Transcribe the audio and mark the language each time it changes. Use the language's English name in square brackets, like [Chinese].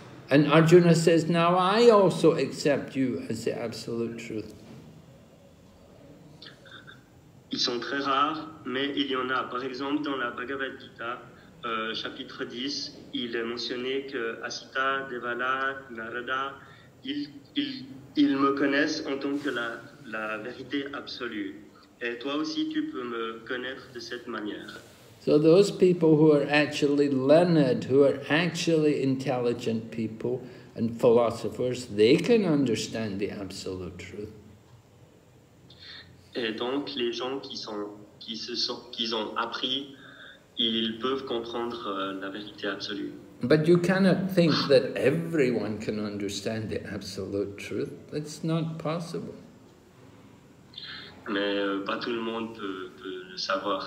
[English] And Arjuna says, now I also accept you as the absolute truth. [French] Ils sont très rares, mais il y en a. Par exemple, dans la Bhagavad Gita, chapitre 10, il est mentionné que Asita, Devala, Narada, ils me connaissent en tant que la vérité absolue. Et toi aussi, tu peux me connaître de cette manière. [English] So those people who are actually learned, who are actually intelligent people and philosophers, they can understand the absolute truth. [French] Et donc les gens qui ont appris, ils peuvent comprendre la vérité absolue. [English] But you cannot think that everyone can understand the absolute truth. That's not possible. [French] Mais pas tout le monde peut le savoir.